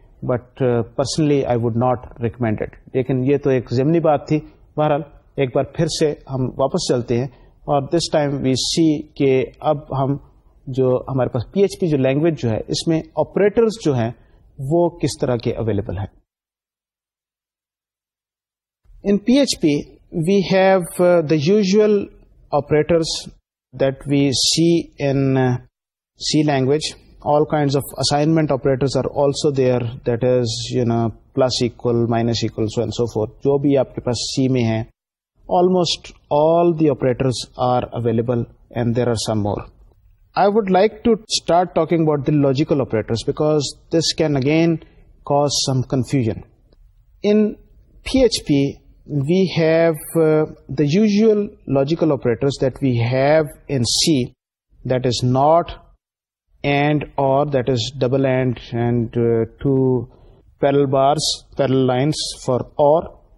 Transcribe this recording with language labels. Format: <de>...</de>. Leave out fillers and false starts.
<en>But personally I would not recommend it.</en> <ur>لیکن یہ تو ایک ضمنی بات تھی. بہرحال ایک بار پھر سے ہم واپس چلتے ہیں, اور</ur> <en>this time we see</en> <ur>کہ اب ہم جو ہمارے پاس پی ایچ پی جو لینگویج جو ہے اس میں آپریٹرز جو ہیں وہ کس طرح کے اویلیبل ہیں.</ur> <en>In P H P we have the usual operators that we see in C language. All kinds of assignment operators are also there, that is you know plus equal minus equal so and so forth.</en> <ur>جو بھی آپ کے پاس سی میں ہیں</ur> <en>Almost all the operators are available, and there are some more. I would like to start talking about the logical operators because this can again cause some confusion. In PHP, we have the usual logical operators that we have in C, that is not, and, or, that is double and two parallel bars, parallel lines for or.</en>